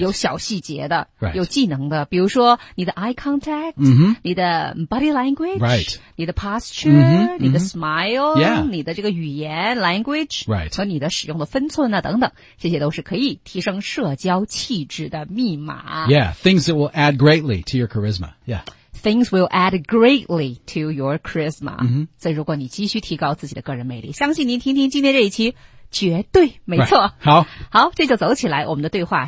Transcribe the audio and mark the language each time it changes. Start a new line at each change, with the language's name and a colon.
Chinese: 有小细节的、
English: right.
Chinese: 有技能的比如说你的 eye contact,、 mm-hmm. 你的 body language,、
English: right.
Chinese: 你的 posture,、 mm-hmm. 你的 smile,、
English: yeah.
Chinese: 你的这个语言 language,、
English: right.
Chinese: 和你的使用的分寸啊等等这些都是可以提升社交气质的密码。
English: Yeah, things that will add greatly to your charisma. Yeah. Things will add greatly to your charisma.、 Mm-hmm.
Chinese: 所以如果你继续提高自己的个人魅力相信您听听今天这一期绝对没错。
English: Right. 好。
Chinese: 好这就走起来我们的对话。